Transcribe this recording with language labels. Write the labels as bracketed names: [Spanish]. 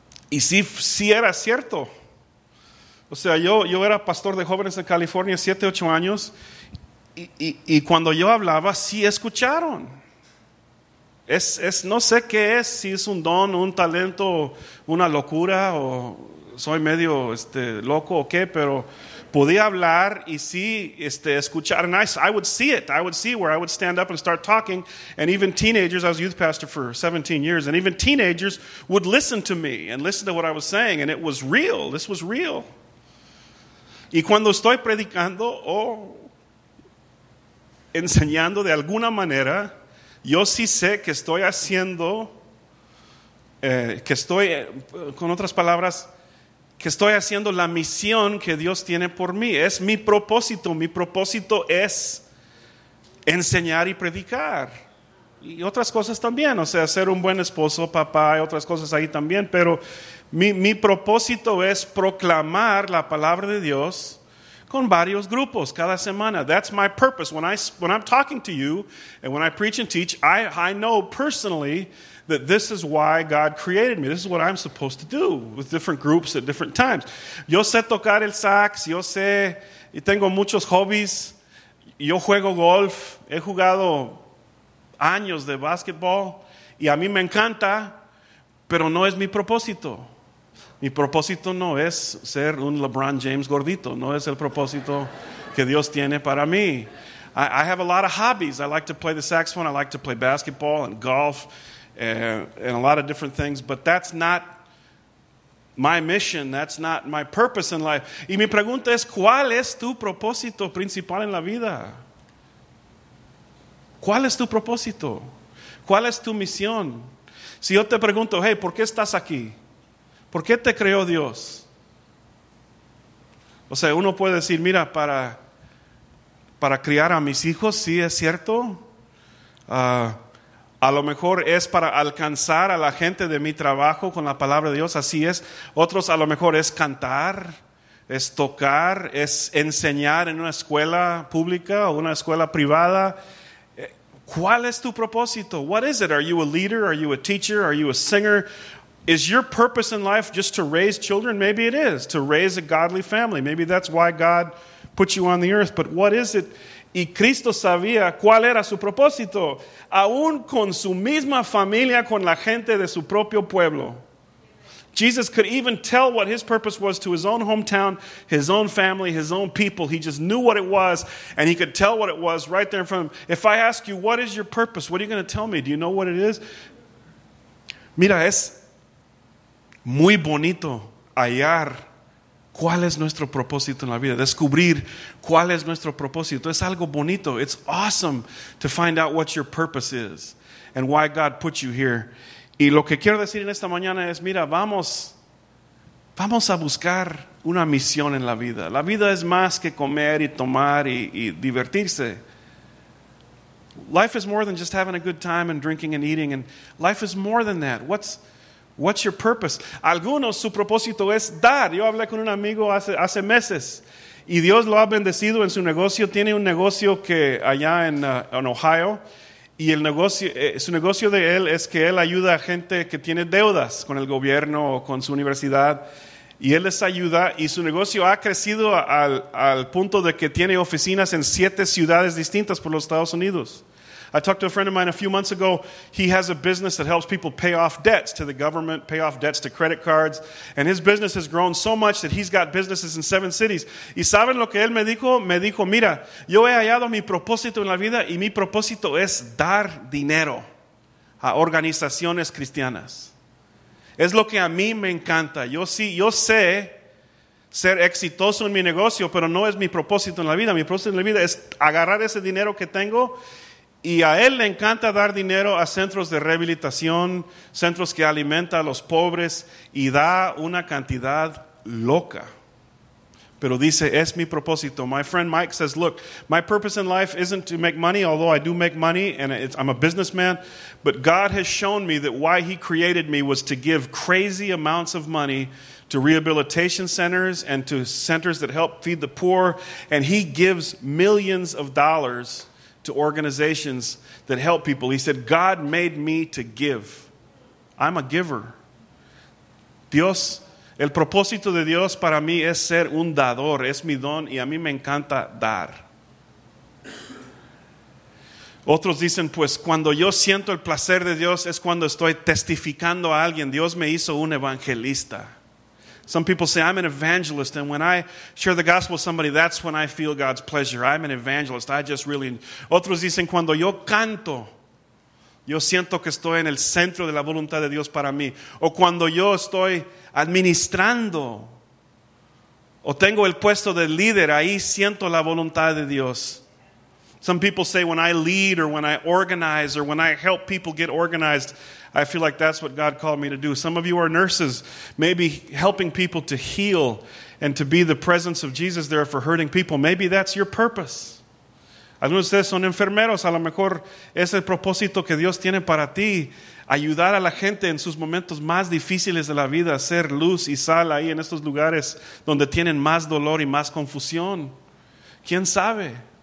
[Spanish] Y sí era cierto. O sea, yo era pastor de jóvenes en California 7-8 años, y cuando yo hablaba, sí escucharon. Es no sé qué es, si es un don, un talento, una locura, o soy medio loco o qué, pero podía hablar y sí escuchar. [English] And I would see it. I would see where I would stand up and start talking. And even teenagers, I was youth pastor for 17 years, and even teenagers would listen to me and listen to what I was saying. And it was real. This was real. [Spanish] Y cuando estoy predicando o enseñando de alguna manera, yo sí sé que estoy haciendo, que estoy, con otras palabras, que estoy haciendo la misión que Dios tiene por mí. Es mi propósito. Mi propósito es enseñar y predicar. Y otras cosas también. O sea, ser un buen esposo, papá, y otras cosas ahí también. Pero mi propósito es proclamar la palabra de Dios con varios grupos cada semana. [English] That's my purpose. When I'm talking to you and when I preach and teach, I know personally that this is why God created me. This is what I'm supposed to do with different groups at different times. [Spanish] Yo sé tocar el sax. Yo sé y tengo muchos hobbies. Yo juego golf. He jugado años de basketball. Y a mí me encanta, pero no es mi propósito. Mi propósito no es ser un LeBron James gordito. No es el propósito que Dios tiene para mí. [English] I have a lot of hobbies. I like to play the saxophone. I like to play basketball and golf. And a lot of different things, but that's not my mission, that's not my purpose in life. [Spanish] Y mi pregunta es, ¿cuál es tu propósito principal en la vida? ¿Cuál es tu propósito? ¿Cuál es tu misión? Si yo te pregunto, hey, ¿por qué estás aquí? ¿Por qué te creó Dios? O sea, uno puede decir, mira, para criar a mis hijos, sí, es cierto. A lo mejor es para alcanzar a la gente de mi trabajo con la palabra de Dios, así es. Otros a lo mejor es cantar, es tocar, es enseñar en una escuela pública o una escuela privada. ¿Cuál es tu propósito? [English] What is it? Are you a leader? Are you a teacher? Are you a singer? Is your purpose in life just to raise children? Maybe it is, to raise a godly family. Maybe that's why God put you on the earth. But what is it? [Spanish] Y Cristo sabía cuál era su propósito, aún con su misma familia, con la gente de su propio pueblo. [English] Jesus could even tell what his purpose was to his own hometown, his own family, his own people. He just knew what it was, and he could tell what it was right there in front of him. If I ask you, what is your purpose? What are you going to tell me? Do you know what it is? [Spanish] Mira, es muy bonito hallar. ¿Cuál es nuestro propósito en la vida? Descubrir cuál es nuestro propósito. Es algo bonito. [English] It's awesome to find out what your purpose is and why God put you here. [Spanish] Y lo que quiero decir en esta mañana es, mira, vamos a buscar una misión en la vida. La vida es más que comer y tomar y divertirse. [English] Life is more than just having a good time and drinking and eating. And life is more than that. What's your purpose? [Spanish] Algunos, su propósito es dar. Yo hablé con un amigo hace meses y Dios lo ha bendecido en su negocio. Tiene un negocio que allá en Ohio, y el negocio, su negocio de él es que él ayuda a gente que tiene deudas con el gobierno o con su universidad, y él les ayuda, y su negocio ha crecido al punto de que tiene oficinas en 7 ciudades distintas por los Estados Unidos. [English] I talked to a friend of mine a few months ago. He has a business that helps people pay off debts to the government, pay off debts to credit cards. And his business has grown so much that he's got businesses in 7 cities. [Spanish] ¿Y saben lo que él me dijo? Me dijo, mira, yo he hallado mi propósito en la vida y mi propósito es dar dinero a organizaciones cristianas. Es lo que a mí me encanta. Yo sí, yo sé ser exitoso en mi negocio, pero no es mi propósito en la vida. Mi propósito en la vida es agarrar ese dinero que tengo. Y a él le encanta dar dinero a centros de rehabilitación, centros que alimenta a los pobres, y da una cantidad loca. Pero dice, es mi propósito. [English] My friend Mike says, look, my purpose in life isn't to make money, although I do make money, and I'm a businessman, but God has shown me that why he created me was to give crazy amounts of money to rehabilitation centers and to centers that help feed the poor, and he gives millions of dollars to organizations that help people. He said, God made me to give. I'm a giver. [Spanish] Dios, el propósito de Dios para mí es ser un dador. Es mi don y a mí me encanta dar. Otros dicen, pues cuando yo siento el placer de Dios es cuando estoy testificando a alguien. Dios me hizo un evangelista. [English] Some people say, I'm an evangelist, and when I share the gospel with somebody, that's when I feel God's pleasure. I'm an evangelist. I just really... [Spanish] Otros dicen, cuando yo canto, yo siento que estoy en el centro de la voluntad de Dios para mí. O cuando yo estoy administrando, o tengo el puesto de líder, ahí siento la voluntad de Dios. [English] Some people say when I lead or when I organize or when I help people get organized, I feel like that's what God called me to do. Some of you are nurses, maybe helping people to heal and to be the presence of Jesus there for hurting people. Maybe that's your purpose. [Spanish] Algunos de ustedes son enfermeros. A lo mejor es el propósito que Dios tiene para ti. Ayudar a la gente en sus momentos más difíciles de la vida. Ser luz y sal ahí en estos lugares donde tienen más dolor y más confusión. ¿Quién sabe?